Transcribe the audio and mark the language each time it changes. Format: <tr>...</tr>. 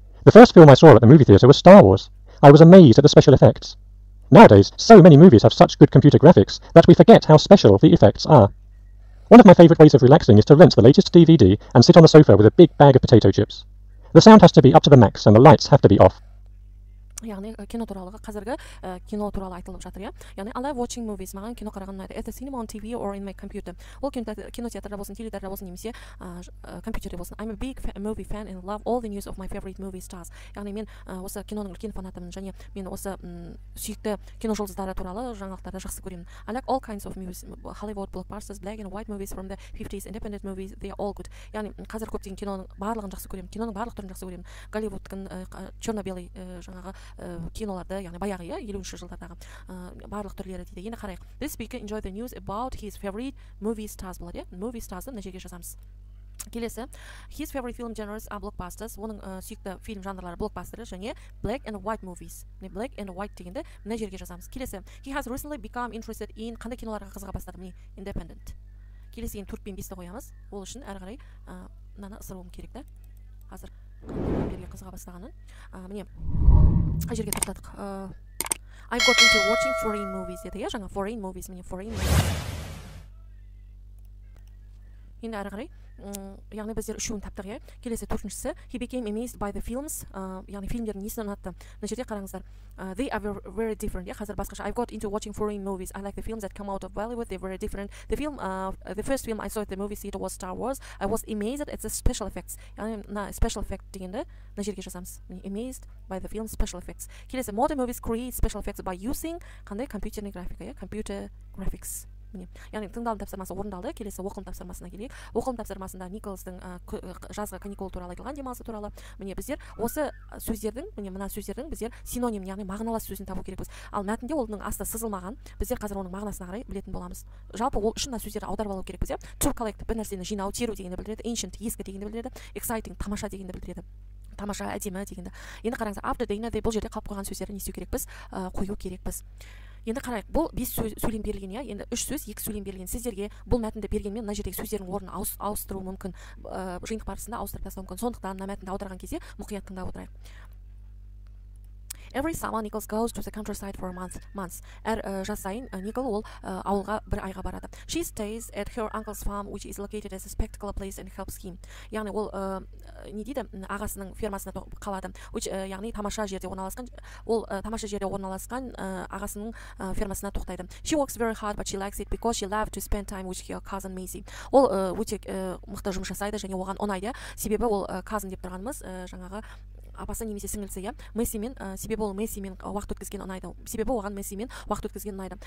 <en>The first film I saw at the movie theater was Star Wars. I was amazed at the special effects. Nowadays, so many movies have such good computer graphics that we forget how special the effects are. One of my favorite ways of relaxing is to rent the latest DVD and sit on the sofa with a big bag of potato chips. The sound has to be up to the max and the lights have to be off.</en> <kk>Яғни кино туралы, қазіргі кино туралы айтылып жатыр, иә.</kk> <en>Яғни I love watching movies.</en> <kk>Маған кино қараған ұнайды.</kk> <en>At the cinema, on TV or in my computer.</en> <kk>Ол кинотеатрда болсын, теледидарда болсын, немесе компьютерде болсын.</kk> <en>I'm a big movie fan and love all the news of my favorite movie stars.</en> <kk>Яғни мен осы киноның үлкен фанатымын және мен осы сүйікті кино жұлдыздары туралы жаңалықтарды жақсы көремін.</kk> <en>I like all kinds of movies. Hollywood blockbusters, black and white movies from the 50s, independent movies, they are all good.</en> <kk>Яғни қазір көптеген киноның барлығын жақсы көремін. Киноның барлық түрін жақсы көремін. Голливудтың</kk> <ru>черно-белый</ru> <kk>жаңағы киноларды, яғни баяғы, иә, 50-ші жылдардағы барлық түрлері дейді. Енді қарайық.</kk> <en>This speaker enjoy the news about his favorite movie stars,</en> <kk>болады, иә?</kk> <en>Movie stars-</en> <kk>ды мына жерге жазамыз. Келесі.</kk> <en>His favorite film genres are blockbusters.</en> <kk>Оның сүйікті фильм жанрлары блокбастеры және</kk> <en>black and white movies.</en> <kk>Не</kk> <en>black and white</en> <kk>дегенді мына жерге жазамыз. Келесі.</kk> <en>He has recently become interested in</en> <kk>қандай киноларға қызыға бастады? Міне, independent. Келесі, енді 4 пен 5-ті қоямыз. Ол үшін әрі қарай мынаны ысыруым керек, да? Қазір қандай қызыға бастағанын. Міне. Қай жерге тоқтадық?</kk> <en>I got into watching foreign movies</en> <kk>деді, иә, жаңа</kk> <en>foreign movies,</en> <kk>міне</kk> <en>foreign movies.</en> <kk>Енді әрі қарай, яғни біздер үшеуін таптық, иә. Келесі, төртіншісі,</kk> <en>he became amazed by the films,</en> <kk>яғни фильмдердің несін ұнатты. Мына жерде қараңыздар.</kk> <en>They are very different,</en> <kk>иә, қазір басқаша.</kk> <en>I got into watching foreign movies. I like the films that come out of Bollywood, they're very different. The film, the first film I saw at the movie theater was Star Wars. I was amazed at the special effects.</en> <kk>Яғни мына</kk> <en>special effect</en> <kk>дегенді мына жерге жазамыз.</kk> <en>Amazed by the film's special effects.</en> <kk>Келесі,</kk> <en>modern movies create special effects by using</en> <kk>қандай</kk> <ru>компьютерный графика,</ru> <kk>иә,</kk> <en>computer graphics.</en> <kk>Міне, яғни тыңдалым тапсырмасы орындалды. Келесі, оқылым тапсырмасына келейік. Оқылым тапсырмасында Николстың жазғы каникул туралы айтылған, демалысы туралы. Міне, біздер осы сөздердің, міне мына сөздердің біздер синоним, яғни мағыналас сөзін табу керекпіз. Ал мәтінде оның асты сызылмаған, біздер қазір оның мағынасына қарай білетін боламыз. Жалпы ол үшін мына сөздерді аударып алу керекпіз, иә.</kk> <en>To collect,</en> <kk>бір нәрсені жинау, теру дегенді білдіреді. Ancient, ескі дегенді білдіреді. Exciting, тамаша дегенді білдіреді. Тамаша, әдемі дегенді. Енді қараңыз,</kk> <en>after the inner,</en> <kk>бұл жерде қалып қойған сөздерді не істеу керекпіз? Қою керекпіз. Енді қарайық, бұл 5 сөйлем берілген, иә. Енді 3 сөз, 2 сөйлем берілген. Сіздерге бұл мәтінді бергенмен мына жердегі сөздердің орнын ауыстыруы мүмкін. Жиынтық барысында ауыстырып тастауы мүмкін. Сондықтан мына мәтінді аударған кезде мұқият тыңдап отырайық.</kk> <en>Every summer Nicholas goes to the countryside for months.</en> <kk>Әр жаз сайын Никол ол ауылға бір айға барады.</kk> <en>She stays at her uncle's farm, which is located as a spectacular place and helps him.</en> <kk>Яғни ол не дейді, ағасының фермасында қалады. Яғни тамаша жерде орналасқан, ол тамаша жерде орналасқан ағасының фермасына тоқтайды.</kk> <en>She works very hard, but she likes it because she loves to spend time with her cousin Maisie.</en> <kk>Ол өте мықты жұмыс жасайды және оған ұнайды. Себебі ол cousin деп тұрғанымыз жаңағы апасы немесе сіңілісі, иә. Мэссимен, себебі ол Мэссимен уақыт өткізген ұнайды. Себебі оған Мэссимен уақыт өткізген ұнайды.</kk>